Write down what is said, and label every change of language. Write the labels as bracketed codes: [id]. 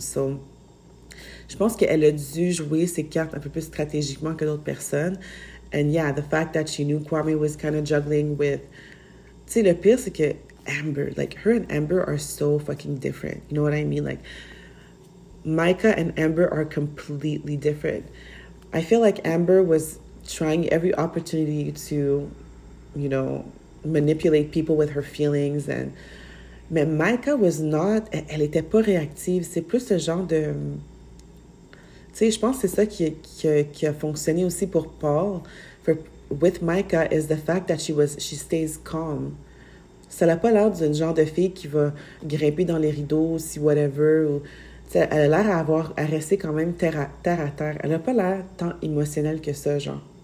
[fr] So je pense qu'elle a dû jouer ses cartes un peu plus stratégiquement que d'autres personnes. [en] And yeah, the fact that she knew Kwame was kind of juggling with... [fr] Tu sais, le pire, c'est que Amber, [en] like, her and Amber are so fucking different. You know what I mean? Like, Micah and Amber are completely different. I feel like Amber was trying every opportunity to, you know, manipulate people with her feelings. And mais Micah was not... [fr] Elle était pas réactive. C'est plus ce genre de... Tu sais, je pense que c'est ça qui a fonctionné aussi pour Paul. [en] With Micah is the fact that she stays calm. [fr] Ça n'a pas l'air d'une genre de fille qui va grimper dans les rideaux, si whatever. Ou, elle a l'air à rester quand même terre à terre. Elle n'a pas l'air tant émotionnelle que ça, genre.